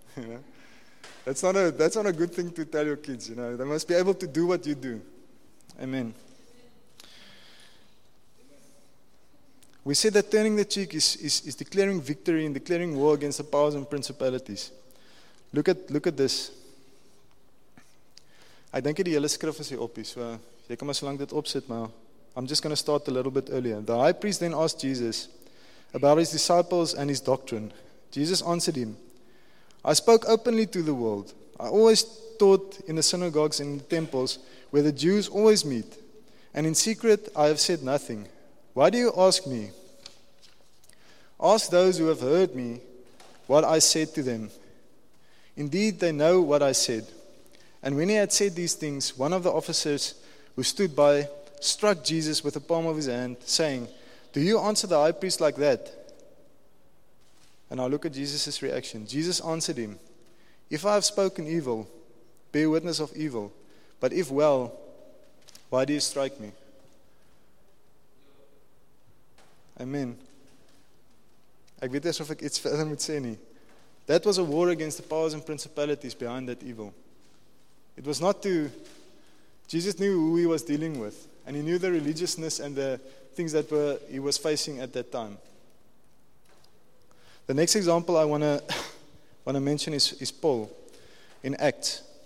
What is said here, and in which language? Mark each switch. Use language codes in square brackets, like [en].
[en] You know, that's not a good thing to tell your kids. You know, they must be able to do what you do. Amen. We said that turning the cheek is declaring victory and declaring war against the powers and principalities. Look at this. I think [af] die hele skrif is hier op hier, so jy kan maar so lank dit opsit, maar. [en] I'm just going to start a little bit earlier. The high priest then asked Jesus about his disciples and his doctrine. Jesus answered him, "I spoke openly to the world. I always taught in the synagogues and in the temples where the Jews always meet. And in secret I have said nothing. Why do you ask me? Ask those who have heard me what I said to them. Indeed they know what I said." And when he had said these things, one of the officers who stood by struck Jesus with the palm of his hand, saying, "Do you answer the high priest like that?" And now look at Jesus' reaction. Jesus answered him, "If I have spoken evil, bear witness of evil. But if well, why do you strike me?" Amen. [af] Ek weet asof ek iets verder moet sê nie. [en] That was a war against the powers and principalities behind that evil. It was not to... Jesus knew who he was dealing with. And he knew the religiousness and the things that were he was facing at that time. The next example I want to mention is Paul in Acts.